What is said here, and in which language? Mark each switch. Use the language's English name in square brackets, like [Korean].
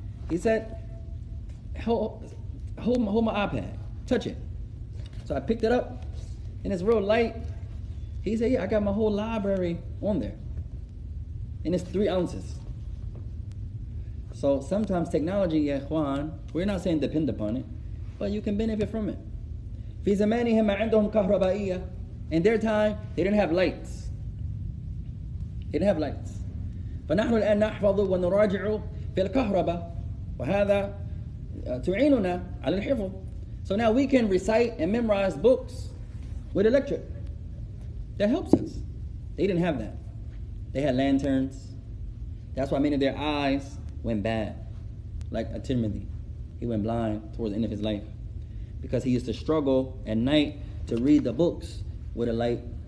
[English] He said, hold my iPad, touch it. So I picked it up and it's real light. He said, yeah, I got my whole library on there. And it's 3 ounces. So sometimes technology, yeah, Juan, we're not saying depend upon it, but you can benefit from it. [Arabic] في زمانهم عندهم كهربائية. In their time, they didn't have lights. They didn't have lights. فنحن الآن نحفظ ونراجع في الكهرباء. وهذا تعيننا على الحفظ. [English] So now we can recite and memorize books with electric. That helps us. They didn't have that. They had lanterns. That's why many of their eyes went bad. Like a Tirmidhi. He went blind towards the end of his life. Because he used to struggle at night to read the books with a light.